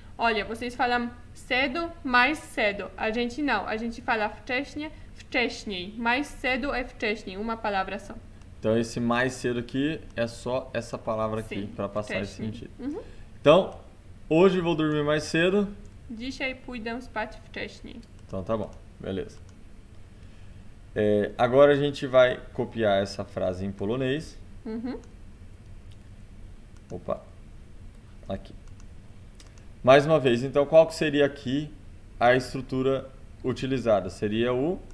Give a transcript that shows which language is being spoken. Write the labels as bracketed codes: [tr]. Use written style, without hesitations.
[pt] Olha, vocês falam cedo, mais cedo. A gente não. A gente fala wcześniej, Wcześniej. Mais cedo é wcześniej. Uma palavra só. Então, esse mais cedo aqui é só essa palavra aqui Sim, para passar esse [pl] wcześniej. [pt] sentido. Então, hoje vou dormir mais cedo. [pl] Dzisiaj pójdę spać wcześniej. [pt] Então, tá bom. Beleza. Agora a gente vai copiar essa frase em polonês. Opa. Aqui. Mais uma vez, então, qual que seria aqui a estrutura utilizada? Seria o